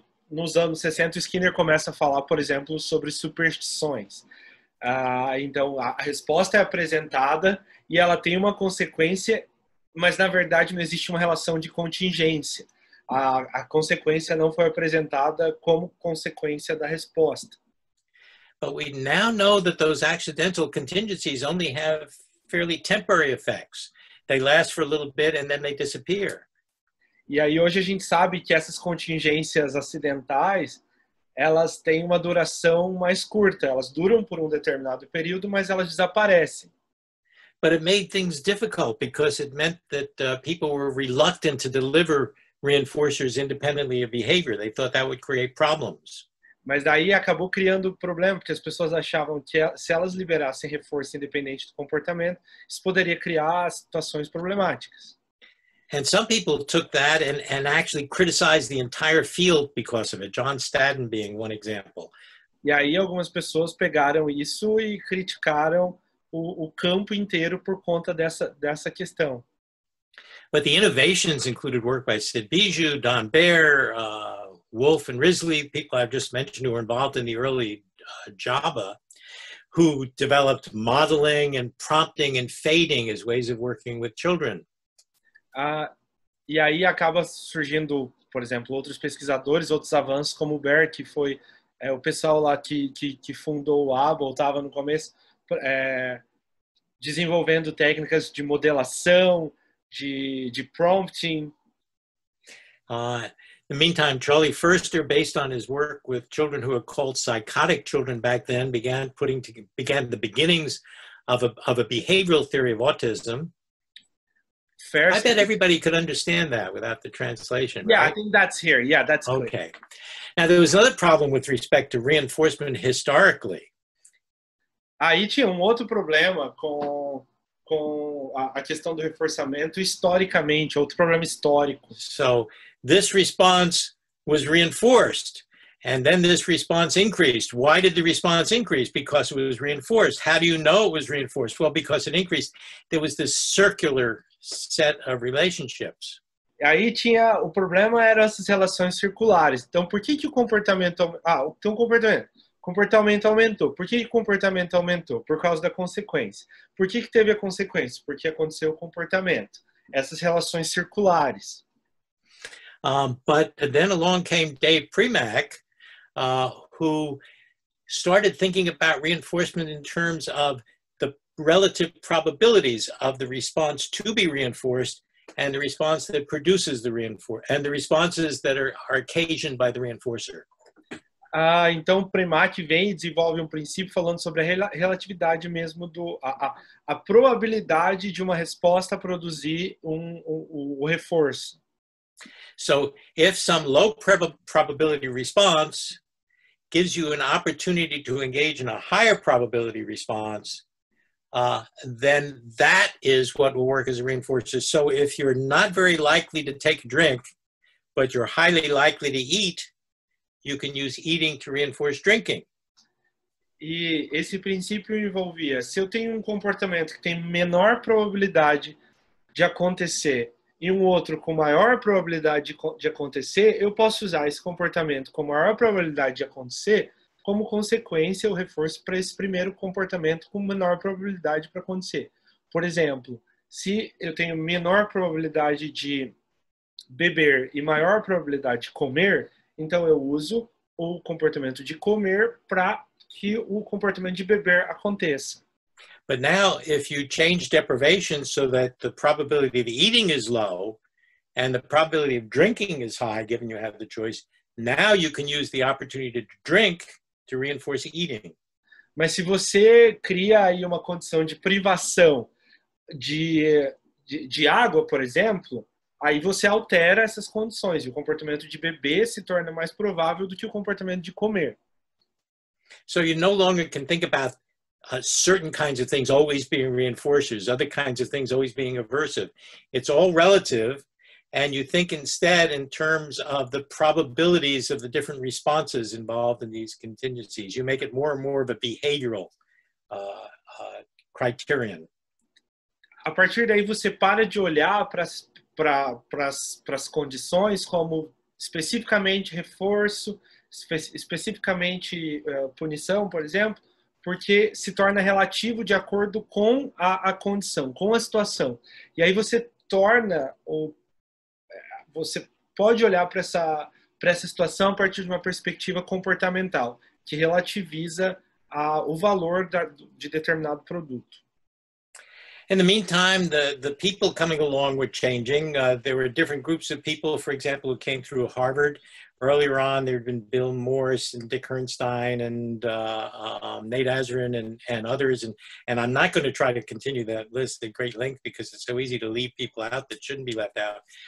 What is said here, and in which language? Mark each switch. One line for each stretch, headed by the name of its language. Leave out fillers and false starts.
Portuguese: Nos anos 60, Skinner começa a falar, por exemplo, sobre superstições. Então, a resposta é apresentada e ela tem uma consequência, mas na verdade não existe uma relação de contingência. A consequência não foi apresentada como consequência da resposta.
English: But we now know that those accidental contingencies only have fairly temporary effects. They last for a little bit and then they disappear.
Portuguese: E aí hoje a gente sabe que essas contingências acidentais, elas têm uma duração mais curta. Elas duram por um determinado período, mas elas desaparecem.
English: But it made things difficult because it meant that people were reluctant to deliver reinforcers independently of behavior. They thought that would create problems.
Portuguese: Mas daí acabou criando problema, porque as pessoas achavam que se elas liberassem reforço independente do comportamento, isso poderia criar situações problemáticas.
English: And some people took that and actually criticized the entire field because of it. John Stadden being one example.
Portuguese: E aí algumas pessoas pegaram isso e criticaram o campo inteiro por conta dessa questão.
English: But the innovations included work by Sid Bijou, Don Baer, Wolf and Risley, people I've just mentioned who were involved in the early Java, who developed modeling and prompting and fading as ways of working with children.
Portuguese: E aí acaba surgindo, por exemplo, outros pesquisadores, outros avanços, como o Baer, que foi o pessoal lá que fundou o ABA, ou estava no começo, desenvolvendo técnicas de modelação, de prompting.
English: In the meantime, Charlie Furster, based on his work with children who were called psychotic children back then, began the beginnings of a behavioral theory of autism. I bet everybody could understand that without the translation. Yeah, right? I think that's here. Yeah, that's good. Okay. Now, there was another problem with respect to reinforcement historically.
Portuguese: Aí tinha outro problema com a questão do reforçamento historicamente, outro problema histórico.
English: So, this response was reinforced, and then this response increased. Why did the response increase? Because it was reinforced. How do you know it was reinforced? Well, because it increased. There was this circular set of relationships.
Portuguese: Aí tinha, o problema era essas relações circulares. Então, por que que o comportamento... comportamento aumentou. Por que o comportamento aumentou? Por causa da consequência. Por que que teve a consequência? Porque aconteceu o comportamento. Essas relações circulares.
English: But then along came Dave Primack, who started thinking about reinforcement in terms of the relative probabilities of the response to be reinforced and the response that produces the reinforcer, and the responses that are occasioned by the reinforcer.
Portuguese: Então Primack vem e desenvolve um princípio falando sobre a relatividade mesmo do a probabilidade de uma resposta produzir um reforço.
English: So, if some low probability response gives you an opportunity to engage in a higher probability response, then that is what will work as a reinforcer. So, if you're not very likely to take a drink, but you're highly likely to eat, you can use eating to reinforce drinking.
Portuguese: E esse princípio envolvia, se eu tenho um comportamento que tem menor probabilidade de acontecer, e um outro com maior probabilidade de acontecer, eu posso usar esse comportamento com maior probabilidade de acontecer como consequência ou reforço para esse primeiro comportamento com menor probabilidade para acontecer. Por exemplo, se eu tenho menor probabilidade de beber e maior probabilidade de comer, então eu uso o comportamento de comer para que o comportamento de beber aconteça.
English: But now, if you change deprivation so that the probability of eating is low and the probability of drinking is high, given you have the choice, now you can use the opportunity to drink to reinforce eating.
Portuguese: Mas se você cria aí uma condição de privação de água, por exemplo, aí você altera essas condições e o comportamento de beber se torna mais provável do que o comportamento de comer.
English: So you no longer can think about certain kinds of things always being reinforcers, other kinds of things always being aversive. It's all relative, and you think instead in terms of the probabilities of the different responses involved in these contingencies. You make it more and more of a behavioral criterion.
Portuguese: A partir daí, você para de olhar para as condições como especificamente reforço, especificamente punição, por exemplo, porque se torna relativo de acordo com a condição, com a situação. E aí você torna, ou você pode olhar para essa situação a partir de uma perspectiva comportamental, que relativiza o valor de determinado produto.
English: In the meantime, the people coming along were changing. There were different groups of people, for example, who came through Harvard. Earlier on, there had been Bill Morris and Dick Hernstein and Nate Azrin and others. And I'm not going to try to continue that list at great length because it's so easy to leave people out that shouldn't be left out.